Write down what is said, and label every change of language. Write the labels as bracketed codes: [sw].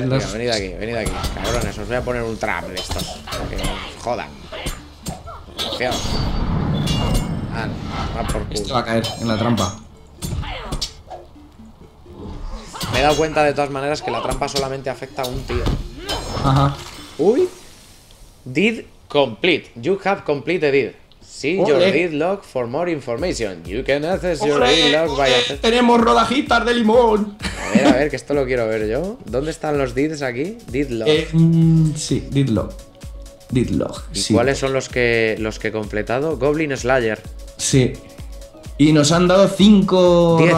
[es] Mira, venid aquí, cabrones. Os voy a poner un trap de estos. Que jodan. Confiado. Ah, no, esto va a caer en la trampa. Me he dado cuenta de todas maneras que la trampa solamente afecta a un tío. Ajá. [en] Uy. Deed complete. You have completed deed. See your deed log for more information. You can access your deed log by [es] Tenemos rodajitas de limón. A ver, que esto lo quiero ver yo. ¿Dónde están los deeds aquí? [en] Deed log. [es] Sí, [en] deed log. Deed log. [es] ¿Y cuáles son los que he completado? [en] Goblin Slayer. [es] Sí. Y nos han dado 5.